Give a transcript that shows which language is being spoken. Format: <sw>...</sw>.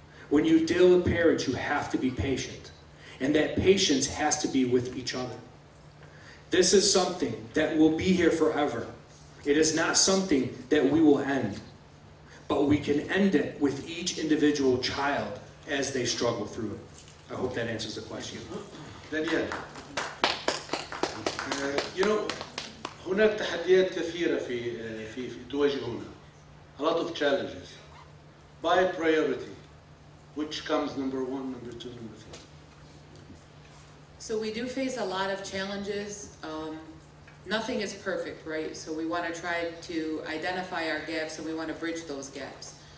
<en>When you deal with parents, you have to be patient. And that patience has to be with each other. This is something that will be here forever. It is not something that we will end. But we can end it with each individual child as they struggle through it. I hope that answers the question. Daniel. You know,</en> <ar>هناك تحديات كثيرة في تواجهنا.</ar> <en>A lot of challenges. By priority, which comes number one, number two, number three? So we do face a lot of challenges. Nothing is perfect, right? So we want to try to identify our gaps and we want to bridge those gaps.</en>